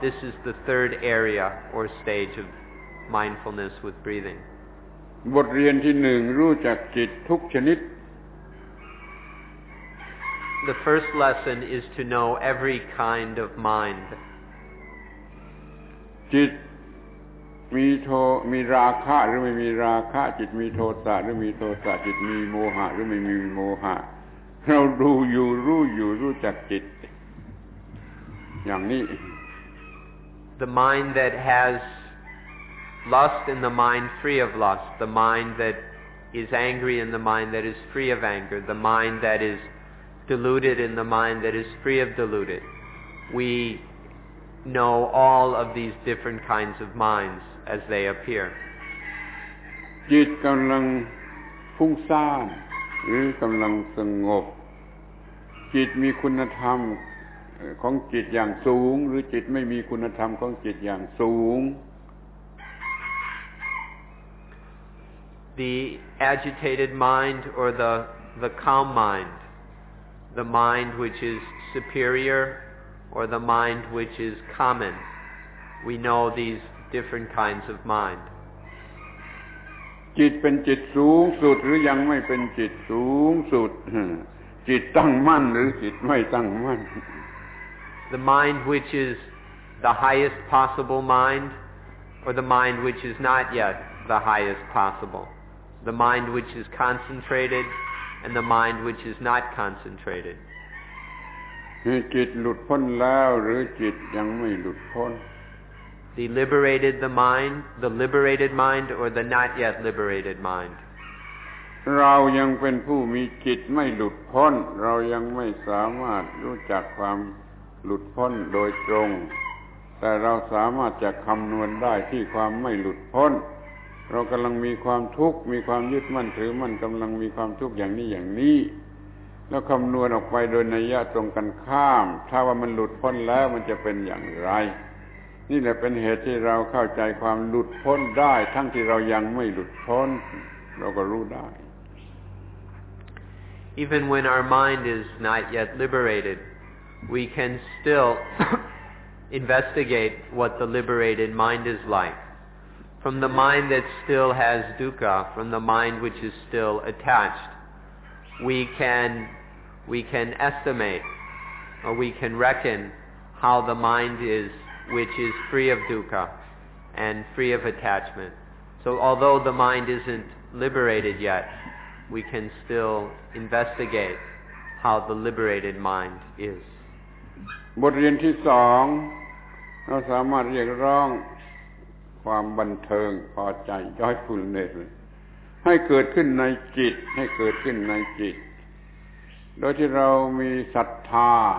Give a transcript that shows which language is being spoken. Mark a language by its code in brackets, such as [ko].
[en] This is the third area or stage of mindfulness with breathing. [th] บทเรียนที่หนึ่งรู้จักจิตทุกชนิด [en] The first lesson is to know every kind of mind. [th] จิตมีโทมีราคะหรือไม่มีราคะจิตมีโทสะหรือมีโทสะจิตมีโมหะหรือไม่มีโมหะเราดูอยู่รู้อยู่รู้จักจิตอย่างนี้ [en] The mind that hasLust in the mind free of lust, the mind that is angry in the mind that is free of anger, the mind that is deluded in the mind that is free of deluded. We know all of these different kinds of minds as they appear. [th] จิตกำลังฟุ้งซ่านหรือกำลังสงบจิตมีคุณธรรมของจิตอย่างสูงหรือจิตไม่มีคุณธรรมของจิตอย่างสูง [en] The agitated mind or the calm mind, the mind which is superior or the mind which is common, we know these different kinds of mind. [th] จิตเป็นจิตสูงสุดหรือยังไม่เป็นจิตสูงสุดจิตตั้งมั่นหรือจิตไม่ตั้งมั่น [en] The mind which is the highest possible mind or the mind which is not yet the highest possible. The mind which is concentrated and the mind which is not concentrated. [th] จิตหลุดพ้นแล้วหรือจิตยังไม่หลุดพ้น [en] The liberated the mind, the liberated mind or the not yet liberated mind. [th] เรายังเป็นผู้มีจิตไม่หลุดพ้นเรายังไม่สามารถรู้จักความหลุดพ้นโดยตรงแต่เราสามารถจะคำนวณได้ที่ความไม่หลุดพ้นเรากำลังมีความทุกข์มีความยึดมั่นถือมั่นกำลังมีความทุกข์อย่างนี้อย่างนี้ แล้วคำนวณออกไปโดยนัยยะตรงกันข้ามถ้าว่ามันหลุดพ้นแล้วมันจะเป็นอย่างไรนี่แหละเป็นเหตุที่เราเข้าใจความหลุดพ้นได้ทั้งที่เรายังไม่หลุดพ้นเราก็รู้ได้ [en] Even when our mind is not yet liberated we can still investigate what the liberated mind is likeFrom the mind that still has dukkha, from the mind which is still attached, we can estimate, or we can reckon how the mind is which is free of dukkha and free of attachment. So although the mind isn't liberated yet, we can still investigate how the liberated mind is. [th] บทเรียนที่สองเราสามารถเรียกร้องความบันเทิงพอใจย้อยฟุ้งเนตให้เกิดขึ้นในจิตให้เกิดขึ้นในจิตโดยที่เรามีศรัทธา